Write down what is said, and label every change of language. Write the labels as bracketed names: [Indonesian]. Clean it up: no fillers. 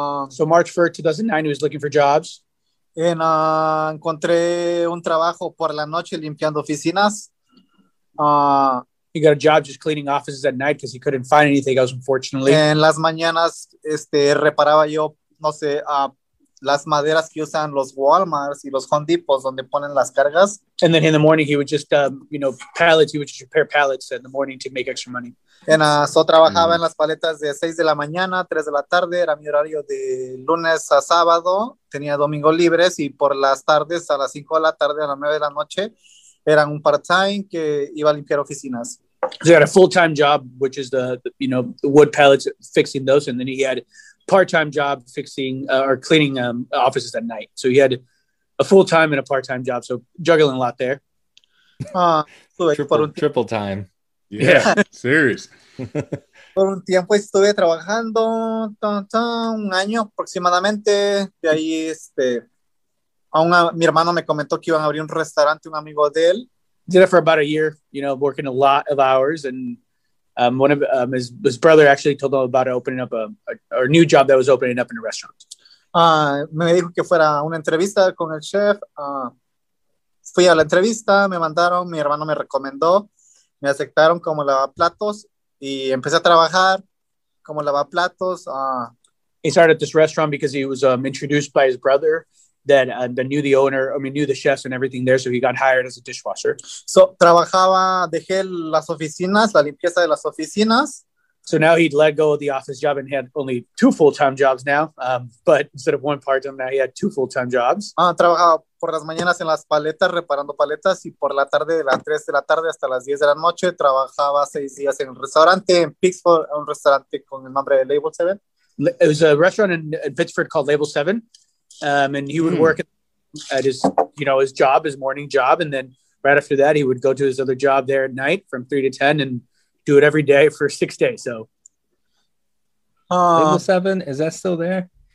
[English] So March 1st, 2009, he was looking for jobs. [Spanish] And encontré un trabajo por la noche limpiando oficinas. [English] He got a job just cleaning offices at night because he couldn't find anything else, unfortunately. [Spanish] En las mañanas, reparaba yo, no sé, las maderas que usan los Walmarts y los Home Depots donde ponen las cargas. [English] And then in the morning, he would just, pallets. He would just repair pallets in the morning to make extra money. And so [Spanish] trabajaba en las paletas de 6 de la mañana, 3 de la tarde. Era mi horario de lunes a sábado. Tenía domingo libres y por las tardes a las 5 de la tarde, a las 9 de la noche, eran un part-time que iba a limpiar oficinas. [English] So he had a full-time job, which is the wood pallets, fixing those, and then he had a part-time job fixing or cleaning offices at night. So he had a full-time and a part-time job, so juggling a lot there. triple time. Yeah, serious. [Spanish] Por un tiempo estuve trabajando, un año aproximadamente, de ahí mi hermano me comentó que iban a abrir un restaurante, un amigo de él. [English] Did it for about a year, working a lot of hours. And one of his brother actually told him about opening up a new job that was opening up in a restaurant. [Spanish] Me dijo que fuera una entrevista con el chef. Fui a la entrevista, me mandaron, mi hermano me recomendó. Me aceptaron como lavaplatos y empecé a trabajar como lavaplatos. [English] He started this restaurant because he was introduced by his brother. That knew the owner, knew the chefs and everything there, so he got hired as a dishwasher. [Spanish] So, trabajaba, dejé las oficinas, la limpieza de las oficinas. [English] So now he'd let go of the office job and he had only two full-time jobs now, but instead of one part-time, now he had two full-time jobs. [Spanish] Trabajaba por las mañanas en las paletas, reparando paletas, y por la tarde, de las 3 de la tarde hasta las 10 de la noche, trabajaba 6 días en un restaurante en Pittsburgh, un restaurante con el nombre de Label 7. [English] It was a restaurant in Pittsburgh called Label 7. And he would work at his job, his morning job. And then right after that, he would go to his other job there at night from 3 to 10 and do it every day for 6 days. So. Label 7, is that still there?